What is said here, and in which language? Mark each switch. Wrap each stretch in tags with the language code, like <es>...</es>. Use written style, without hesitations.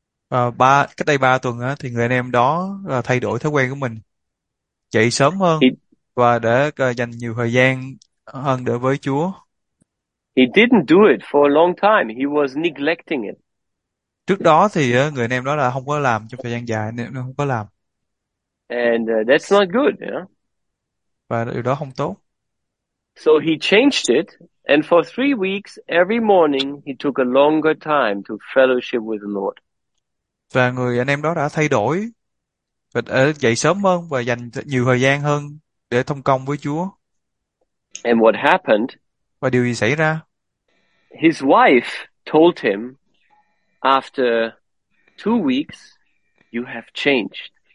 <vi>Cách đây 3 tuần á, thì người anh em đó thay đổi thói quen của mình, dậy sớm hơn và để dành nhiều thời gian hơn để với Chúa.</vi> <en>He didn't do it for a long time. He was neglecting</en> <vi>Trước đó thì người anh em đó là không có làm trong thời gian dài, nên không có làm</vi> <en>that's not good,</en> <vi>và điều đó không tốt.</vi> <en>So he changed it, and for 3 weeks, every morning, he took a longer time to fellowship with the Lord.</en> <vi>Và người anh em đó đã thay đổi và dậy sớm hơn và dành nhiều thời gian hơn để thông công với Chúa.</vi> <en>And what happened?</en> <vi>Và điều gì xảy ra?</vi> <en>His wife told him, after 2 weeks, you have changed.</en>